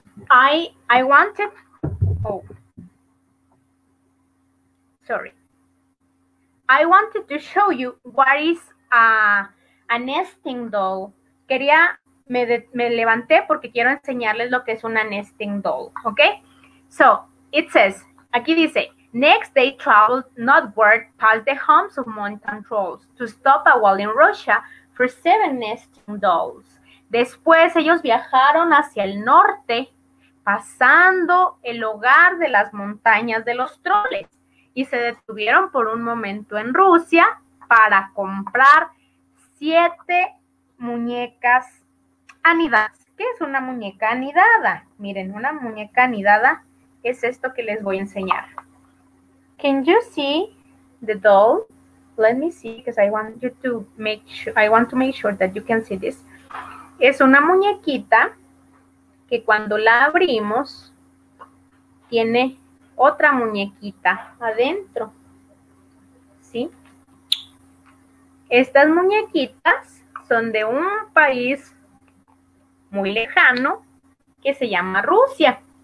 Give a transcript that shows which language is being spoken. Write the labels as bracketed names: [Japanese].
[English] I wanted. I wanted to show you what is a nesting doll. [Spanish] Quería, me levanté porque quiero enseñarles lo que es una nesting doll, ¿ok? [English] So, it says, [Spanish] aquí dice, [English] next they traveled northward past the homes of mountain trolls to stop a wall in Russia for 7 nesting dolls. [Spanish] Después ellos viajaron hacia el norte pasando el hogar de las montañas de los troles y se detuvieron por un momento en Rusia para comprar 7 muñecas anidadas. ¿Qué es una muñeca anidada? Miren, una muñeca anidada es esto que les voy a enseñar. [English] Can you see the doll? Let me see, because I want you to make sure, I want to make sure that you can see this. [Spanish] Es una muñequita que cuando la abrimos tiene otra muñequita adentro. ¿Sí? Estas muñequitas son de un país muy lejano que se llama Rusia.